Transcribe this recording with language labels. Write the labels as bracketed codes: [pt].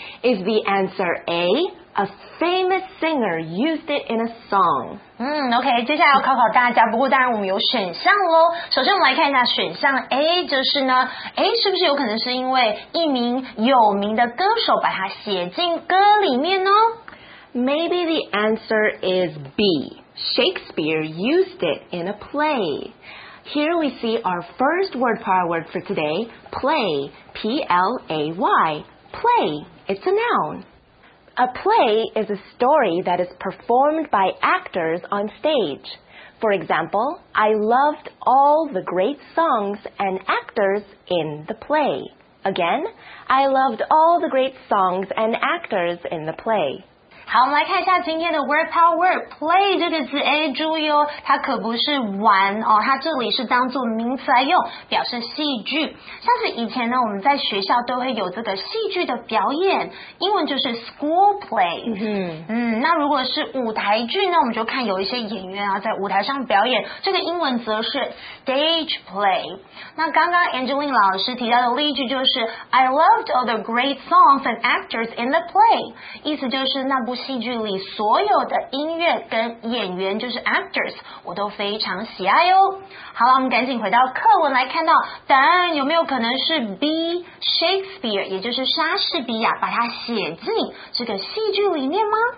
[en] Is the answer A, a famous singer used it in a song? [zh] OK, 接下来要考考大家，不过当然我们有选项咯。首先我们来看一下选项 A, 就是呢 A 是不是有可能是因为一名有名的歌手把它写进歌里面呢？ [en] Maybe the answer is B, Shakespeare used it in a play. Here we see our first word power word for today, play, P-L-A-Y, play, it's a noun. A play is a story that is performed by actors on stage. For example, I loved all the great songs and actors in the play. Again, I loved all the great songs and actors in the play. [zh] 好，我们来看一下今天的 word power word play 这个字。哎，注意哦，它可不是玩哦，它这里是当做名词来用，表示戏剧。像是以前呢，我们在学校都会有这个戏剧的表演，英文就是 school play。那如果是舞台剧呢，我们就看有一些演员啊在舞台上表演，这个英文则是 stage play。那刚刚 Angeline 老师提到的例句就是 [en] I loved all the great songs and actors in the play， [zh] 意思就是那。戏剧里所有的音乐跟演员就是 actors 我都非常喜爱哦好了我们赶紧回到课文来看到答案有没有可能是 B Shakespeare 也就是莎士比亚把它写进这个戏剧里面吗